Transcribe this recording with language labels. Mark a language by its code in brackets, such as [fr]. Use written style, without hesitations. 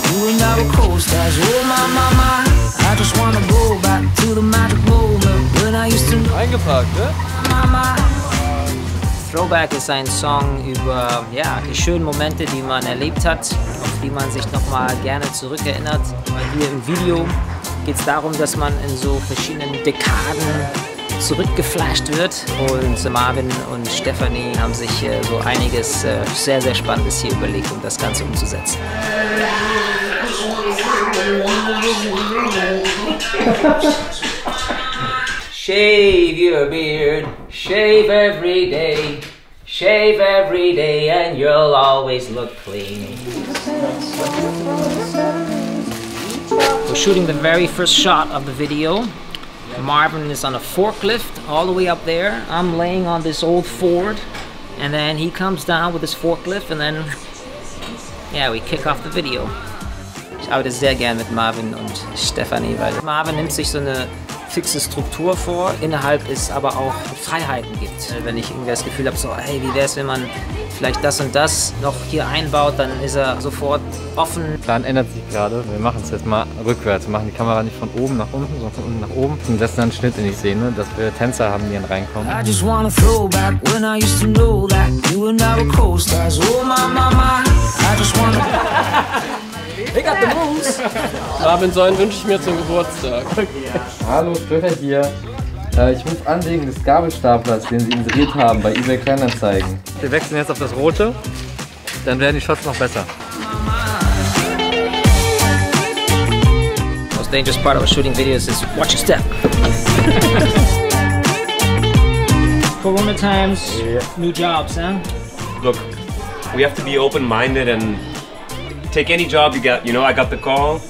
[en] You and I were coast as oh my my my. I just wanna go back to the magic moment when I used to know. [de] Eingepackt, ne? Throwback ist ein Song über ja, die schönen Momente, die man erlebt hat, auf die man sich nochmal gerne zurückerinnert. Hier im Video geht es darum, dass man in so verschiedenen Dekaden zurückgeflasht wird. Und Marvin und Stefanie haben sich so einiges sehr, sehr Spannendes hier überlegt, um das Ganze umzusetzen. [en] Shave your beard, shave every day, shave every day and you'll always look clean. We're shooting the very first shot of the video. Marvin is on a forklift all the way up there. I'm laying on this old Ford and then he comes down with his forklift and then, yeah, we kick off the video. [de] Ich arbeite sehr gern mit Marvin und Stefanie, weil Marvin nimmt sich so eine fixe Struktur vor, innerhalb es aber auch Freiheiten gibt. Wenn ich irgendwie das Gefühl habe, so hey, wie wäre es, wenn man vielleicht das und das noch hier einbaut, dann ist er sofort offen. Der Plan ändert sich gerade. Wir machen es jetzt mal rückwärts. Wir machen die Kamera nicht von oben nach unten, sondern von unten nach oben. Und das ist dann ein Schnitt in die Szene, dass wir Tänzer haben, die dann reinkommen. [en] I just wanna throw back when I used to know that you and I were co-stars. Oh my, my, my. I just wanna... [de] Ich hab den Moves. Marvin, so einen wünsche ich mir zum Geburtstag. Hallo, Ströter hier. Ich muss Anlegen des Gabelstaplers, den Sie inseriert haben, bei eBay Kleinanzeigen. Wir wechseln jetzt auf das Rote, dann werden die Shots noch besser. [en] The most dangerous part of shooting videos is watch your step. Corona times, yeah. New jobs, huh? Look, we have to be open-minded and take any job you get. You know, I got the call.